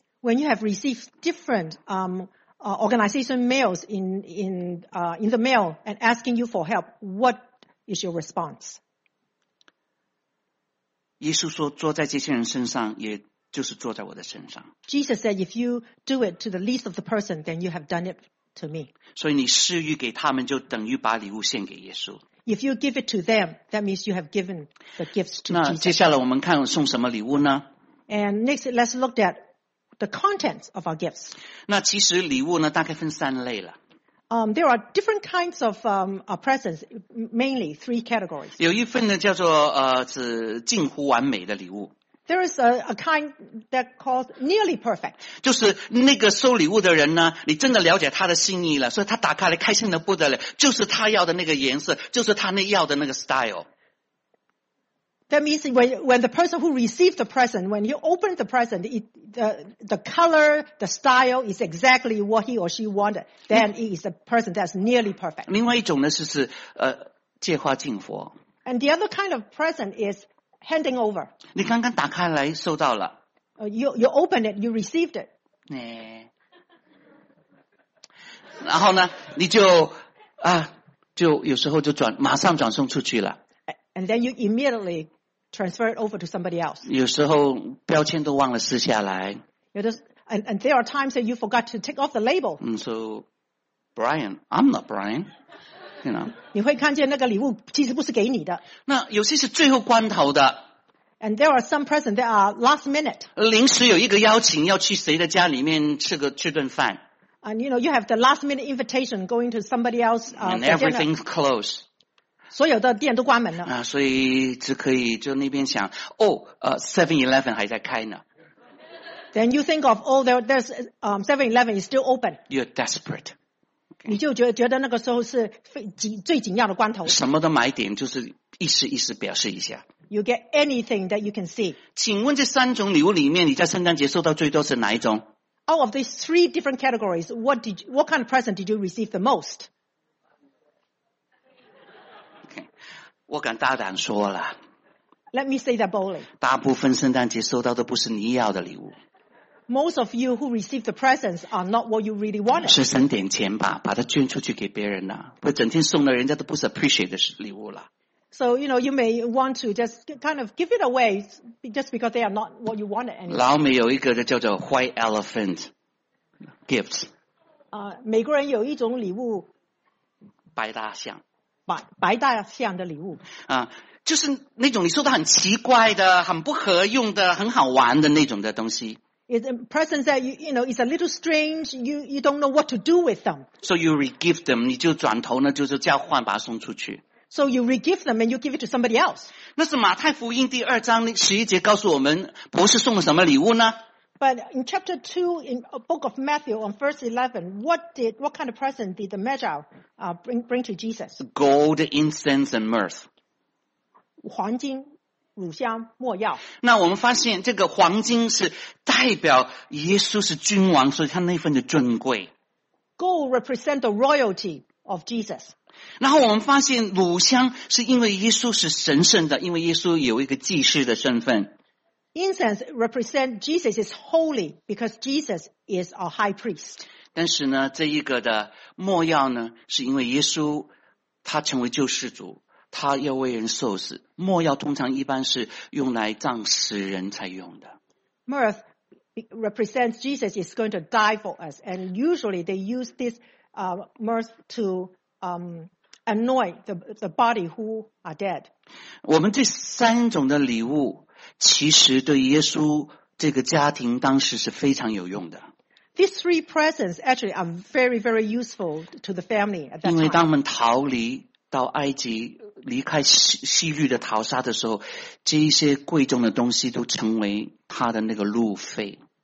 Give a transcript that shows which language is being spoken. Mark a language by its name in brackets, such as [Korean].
[English] ？When you have received different organization mails in the mail and asking you for help, what is your response？ [Chinese] 耶稣说：“坐在这些人身上，也就是坐在我的身上。” [English] Jesus said, "If you do it to the least of the person, then you have done it." To me. [Chinese] 所以你施予给他们就等于把礼物献给耶稣。 [English] If you give it to them, that means you have given the gifts to Jesus. [Chinese] 那接下来我们看送什么礼物呢 [English] ？And next, let's look at the contents of our gifts. [Chinese] 那其实礼物呢，大概分三类了。 [English] There are different kinds of presents, mainly three categories. [Chinese] 有一份呢叫做是近乎完美的礼物。 [English] There is a kind that called nearly perfect. [Chinese] 就是那个收礼物的人呢，你真的了解他的心意了，所以他打开来开心的不得了，就是他要的那个颜色，就是他那要的那个 style. [English] That means when the person who received the present, when he opened the present, the color, the style is exactly what he or she wanted. Then it is a person that's nearly perfect. [Chinese] 另外一种呢，就是借花敬佛。 [English] And the other kind of present is. Handing over. [Chinese] 你刚刚打开来收到了。 [English] You opened it, you received it. [Chinese] 然后呢，你就啊，就有时候就转，马上转送出去了。 [English] And then you immediately transfer it over to somebody else. [Chinese] 有时候标签都忘了撕下来。 [English] And there are times that you forgot to take off the label. So Brian, I'm not Brian. You know, [Chinese] 你会看见那个礼物其实不是给你的。那有些是最后关头的。 [English] And there are some presents that are last minute. [Chinese] 临时有一个邀请要去谁的家里面吃顿饭。 [English] And you know, you have the last minute invitation going to somebody else. And everything's closed. [Chinese] 所有的店都关门了。所以只可以就那边想，哦，7-Eleven 还在开呢。 [English] Then you think of, oh, there's 7-Eleven is still open. You're desperate. [Chinese] 你就觉得那个时候是最紧要的关头。什么的买点就是一时一时表示一下。 [English] You get anything that you can see. [Chinese] 请问这三种礼物里面，你在圣诞节收到最多是哪一种？ [English] Out of these three different categories, what kind of present did you receive the most? [Chinese] Okay. 我敢大胆说了。 [English] Let me say that boldly. [Chinese] 大部分圣诞节收到的不是你要的礼物。 [English] Most of you who receive the presents are not what you really wanted. [Chinese] 是省点钱吧，把它捐出去给别人了，不整天送了人家都不是 appreciate 的礼物了。 [English] So, you know, you may want to just kind of give it away just because they are not what you wanted. [Chinese] 老美有一个叫做 [English] white elephant gift. [Chinese] 美国人有一种礼物。白大象。白大象的礼物。就是那种你收到很奇怪的，很不合用的，很好玩的那种的东西。 [English] It's a present that you know is a little strange. You don't know what to do with them. So you re-give them. [Chinese] 你就转头呢，就是交换，把它送出去。 [English] So you re-give them and you give it to somebody else. [Chinese] 那是马太福音第二章十一节告诉我们，博士送了什么礼物呢 [English] ？But in chapter 2 in a book of Matthew on verse 11, what kind of present did the Magi bring to Jesus? Gold, incense, and myrrh. [Chinese] 黄金。乳香末药。那我们发现这个黄金是代表耶稣是君王，所以他那份的尊贵。 [English] Gold represent the royalty of Jesus. [Chinese] 然后我们发现乳香是因为耶稣是神圣的，因为耶稣有一个祭司的身份。 [English] Incense represent Jesus is holy because Jesus is our high priest. [Chinese] 但是呢，这一个的末药呢，是因为耶稣他成为救世主。他要为人受死，末药通常一般是用来葬死人才用的。 [English] Myrrh represents Jesus is going to die for us, and usually they use this myrrh to anoint the body who are dead. [Chinese] 我们这三种的礼物，其实对耶稣这个家庭当时是非常有用的。 [English] These three presents actually are very, very useful to the family at that time. [Chinese] 因为当我们逃离到埃及。离开西律的淘沙的时候，这些贵重的东西都成为他的那个路费。